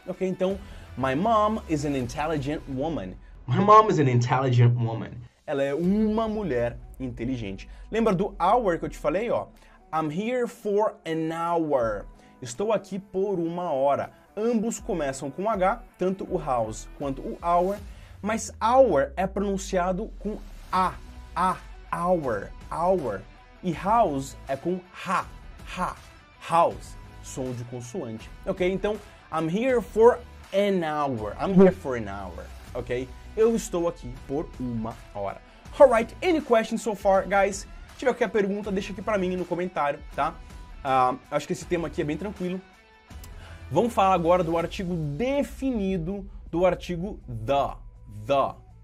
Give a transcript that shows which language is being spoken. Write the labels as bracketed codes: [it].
[en] Ok, então my mom is an intelligent woman. My mom is an intelligent woman. [pt] Ela é uma mulher inteligente. Lembra do hour que eu te falei, ó? [en] I'm here for an hour. [pt] Estou aqui por uma hora. Ambos começam com H, tanto o house quanto o hour, mas hour é pronunciado com A, hour, hour. E house é com ha, house, som de consoante. Ok? [en] Então, I'm here for an hour. I'm here for an hour. Ok? [pt] Eu estou aqui por uma hora. [en] Alright, any questions so far, guys? [pt] Se tiver qualquer pergunta, deixa aqui pra mim no comentário, tá? Acho que esse tema aqui é bem tranquilo. Vamos falar agora do artigo definido do artigo the.